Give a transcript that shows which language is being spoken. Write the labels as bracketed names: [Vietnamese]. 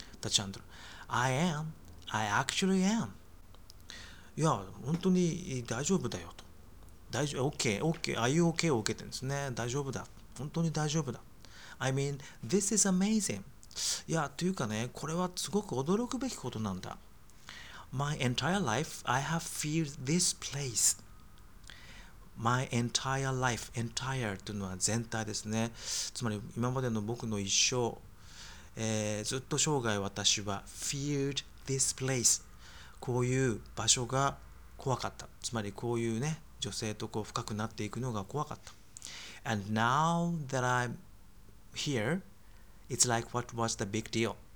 [English] タチアンドル、I am, I actually am。 [Japanese] いや、本当に大丈夫だよと。大丈夫、OK、OK、 [English] Are you OK [Japanese] を受けてるんですね。大丈夫だ。本当に大丈夫だ。 [English] I mean, this is amazing。 [Japanese] いや、というかね、これはすごく驚くべきことなんだ。 [English] My entire life, I have feared this place. My entire life, [Japanese] entire というのは全体ですね。つまり今までの僕の一生、ずっと生涯私は [English] feared this place。 [Japanese] こういう場所が怖かった。つまりこういうね、女性とこう深くなっていくのが怖かった。 [English] And now that I'm here,It's like what was the big deal.